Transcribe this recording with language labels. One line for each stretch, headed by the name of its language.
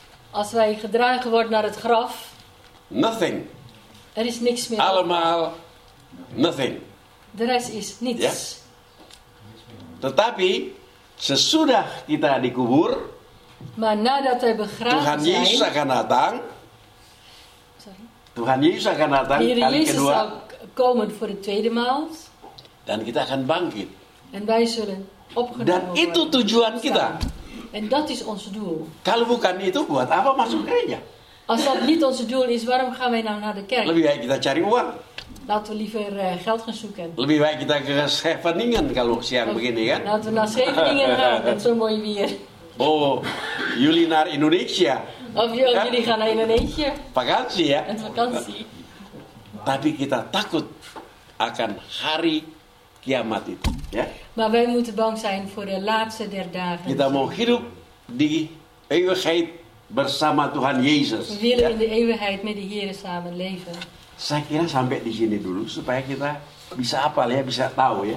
Dutch: Als wij gedragen worden naar het graf.
English: Nothing.
Dutch: Er is niks meer. Allemaal nothing. De rest is niets. Ja.
Indonesian: Tetapi, sesudah kita dikubur.
Dutch: Maar nadat wij begraven zijn.
Indonesian: Tuhan Yesus akan datang.
English: Sorry.
Indonesian: Tuhan Yesus akan datang.
Dutch: Hier
Indonesian: kali kedua.
Dutch: Komen voor de tweede maal.
Indonesian: Dan kita akan bangkit.
Dutch: En wij zullen opgenomen dan worden.
Indonesian: Dan itu tujuan kita.
Dutch: En dat is ons doel.
Indonesian: Kalau bukan itu, buat apa masuk gereja?
Dutch: Als dat niet ons doel is, waarom gaan wij nou naar de kerk?
Indonesian: Lebih baik kita cari uang.
Dutch: Laten we liever geld gaan zoeken.
Indonesian: Lebih baik kita ke Scheveningen kalau siang begini kan.
Dutch: Laten we naar Scheveningen gaan met zo'n mooi weer. Oh, jullie naar Indonesia. Of jullie gaan naar Indonesia. Vakantie, ja. Een vakantie.
Indonesian: Tapi kita takut akan hari kiamat itu. Ya.
Dutch: Maar wij moeten bang zijn voor de laatste der dagen.
Indonesian: Kita mau hidup di eeuwigheid bersama Tuhan Yesus.
Dutch: We willen in de eeuwigheid met de Heer samen leven.
Indonesian: Saya kira sampai di sini dulu supaya kita bisa apal ya, bisa tahu ya.